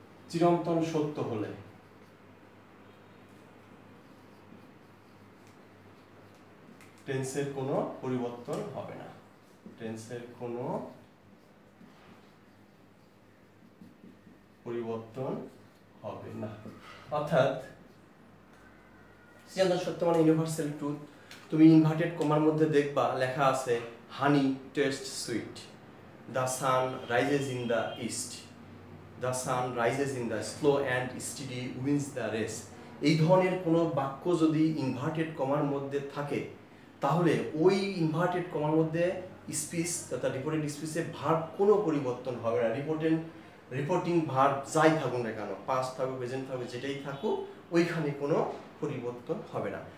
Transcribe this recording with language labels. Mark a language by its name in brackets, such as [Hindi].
[Bangla] চিরন্তন সত্য হলে, টেন্সের কোনো পরিবর্তন হবে না, টেন্সের কোনো পরিবর্তন হবে না। অর্থাৎ চিরন্তন সত্য মানে ইউনিভার্সাল ট্রুথ। তুমি ইনভার্টেড কমার মধ্যে দেখবা লেখা আছে [English] Honey taste sweet, The sun rises in the east. The sun rises in the slow and steady wins the race. [Bangla] এই ধরনের কোনো বাক্য যদি ইনভার্টেড কমার মধ্যে থাকে তাহলে ওই ইনভার্টেড কমার মধ্যে স্পিস তথা রিপোর্টিং স্পিসে ভার্ব কোনো পরিবর্তন হবে না। রিপোর্টিং রিপোর্টিং ভার্ব যাই থাকুক না কেন, পাস্ট থাকুক প্রেজেন্ট থাকুক যেটাই থাকুক, ওইখানে কোনো পরিবর্তন হবে না।